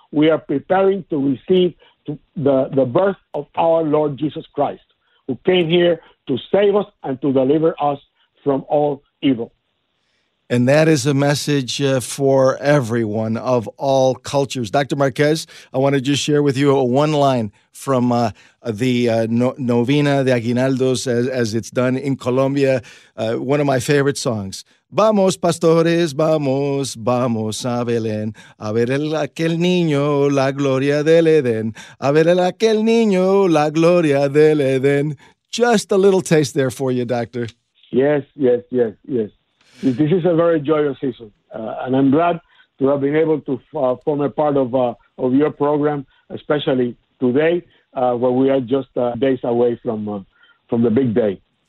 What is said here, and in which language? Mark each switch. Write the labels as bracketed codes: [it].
[en] We are preparing to receive the birth of our Lord Jesus Christ, who came here to save us and to deliver us from all evil. And that is a message for everyone of all cultures. Dr. Marquez, I want to just share with you one line from novena, the Aguinaldos, as it's done in Colombia, one of my favorite songs. [es] Vamos, pastores, vamos, vamos a Belén, a ver el aquel niño, la gloria del Edén, a ver el aquel niño, la gloria del Edén. [en] Just a little taste there for you, doctor. Yes. This is a very joyous season, and I'm glad to have been able to form a part of your program, especially today, where we are just days away from the big day.